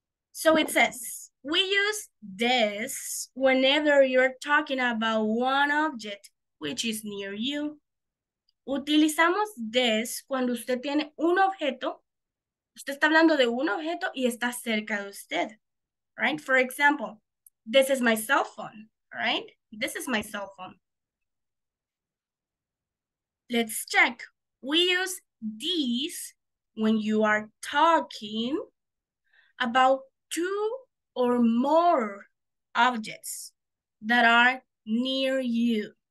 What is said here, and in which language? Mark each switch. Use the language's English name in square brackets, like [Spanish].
[English] So it says, we use this whenever you're talking about one object which is near you. [Spanish] Utilizamos this cuando usted tiene un objeto. Usted está hablando de un objeto y está cerca de usted. [English] Right? For example, this is my cell phone, right? This is my cell phone. Let's check. We use these when you are talking about two or more objects that are near you.